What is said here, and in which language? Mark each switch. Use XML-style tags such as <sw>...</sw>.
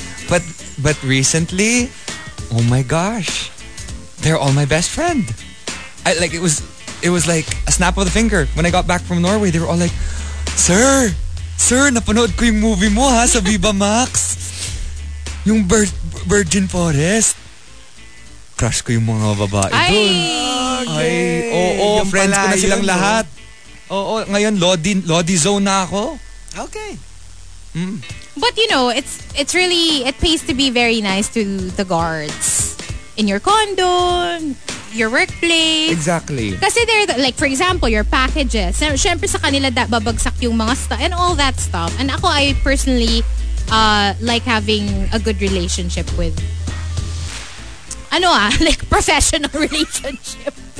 <en>But recently, oh my gosh, they're all my best friend. It was like a snap of the finger. When I got back from Norway, they were all like, Sir,</en> <tl>napanood ko yung movie mo ha sa Viva Max. Yung Virgin Forest. Crush ko yung mga babae doon. Ay, friends ko na silang lahat. Oo, ngayon, Lodi zone na ako.</tl> <en>Okay. But you know, it's really, it pays to be very nice to the guards. In your condo, your workplace. Exactly. Kasi they're, like for example, your packages.</en> <tl>Siyempre sa kanila babagsak yung mga</tl> <en>stuff and all that stuff. And ako, I personally like having a good relationship with like professional relationship.</en>